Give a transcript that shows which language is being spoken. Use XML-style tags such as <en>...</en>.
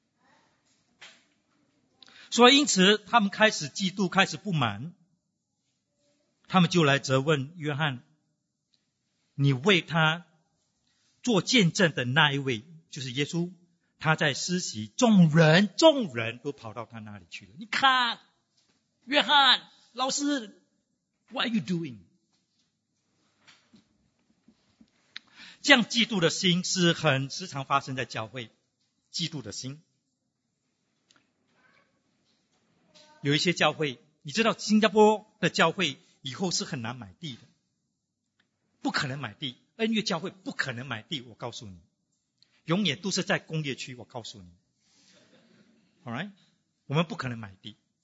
<zh>Alright， 所以因此他们开始嫉妒，开始不满，他们就来责问约翰，你为他做见证的那一位就是耶稣，他在施洗，众人都跑到他那里去了。你看，约翰老师</zh> <en>What are you doing？</en> <zh>这样嫉妒的心是很时常发生在教会，嫉妒的心。有一些教会，你知道新加坡的教会以后是很难买地的，不可能买地，恩悦教会不可能买地，我告诉你，永远都是在工业区，我告诉你。 Alright， 我们不可能买地，</zh>